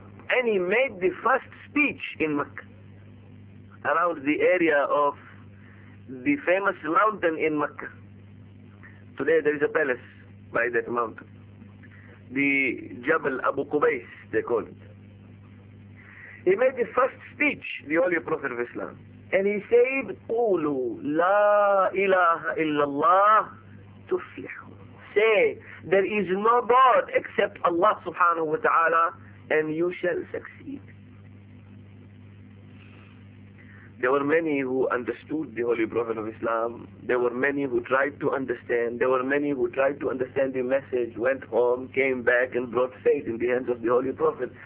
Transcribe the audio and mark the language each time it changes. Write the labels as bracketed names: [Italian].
[English] And he made the first speech in Mecca around the area of the famous mountain in Mecca. Today there is a palace by that mountain. The Jabal Abu Qubais, they call it. He made the first speech, the Holy Prophet of Islam. And he said, [Arabic] قولوا لا إله إلا الله تفلحوا. [English] Say, there is no God except Allah subhanahu wa ta'ala and you shall succeed. There were many who understood the Holy Prophet of Islam. There were many who tried to understand. There were many who tried to understand the message, went home, came back and brought faith in the hands of the Holy Prophet.